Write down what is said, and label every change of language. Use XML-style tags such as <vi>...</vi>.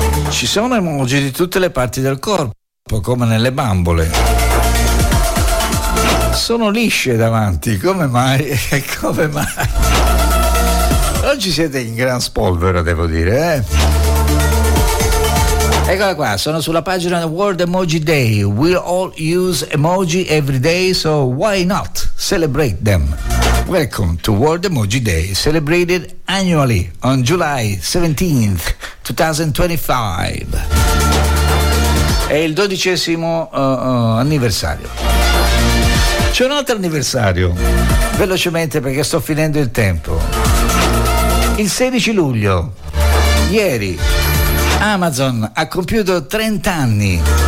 <it>Ci sono emoji di tutte le parti del corpo, come nelle bambole. Sono lisce davanti, come mai? E come mai? Oggi siete in gran spolvero, devo dire, eh? Eccola qua, sono sulla pagina World Emoji Day.</it> <en>We all use emoji every day, so why not celebrate them? Welcome to World Emoji Day, celebrated annually on July 17th, 2025.</en> <it>È il dodicesimo anniversario. C'è un altro anniversario, velocemente perché sto finendo il tempo. Il 16 luglio, ieri, Amazon ha compiuto 30 anni.</it>